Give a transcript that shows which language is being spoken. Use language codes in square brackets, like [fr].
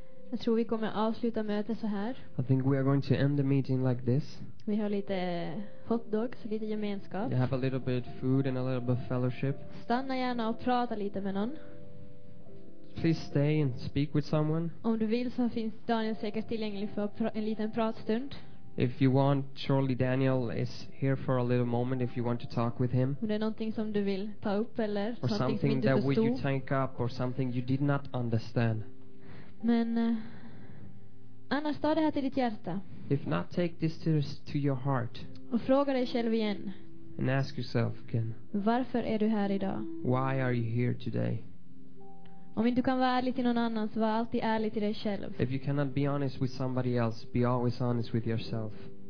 [sv] Jag tror vi kommer att avsluta mötet så här. [en] I think we are going to end the meeting like this. [sv] Vi har lite hot dogs, lite gemenskap. [en] You have a little bit of food and a little bit of fellowship. [sv] Stanna gärna och prata lite med någon. [en] Please stay and speak with someone. [sv] Om du vill så finns Daniel säkert tillgänglig för en liten pratstund. [en] If you want, surely Daniel is here for a little moment if you want to talk with him. [sv] Om det är någonting som du vill ta upp eller [en] or something that you take up or something you did not understand. [sv] Men annars ta det här till ditt hjärta. [en] If not, take this to your heart. [sv] Och fråga dig själv igen. [en] And ask yourself again. [sv] Varför är du här idag? [en] Why are you here today? [sv] Om inte du kan vara ärlig till någon annan, så var alltid ärlig till dig själv. [en] If you cannot be honest with somebody else, be always honest with yourself.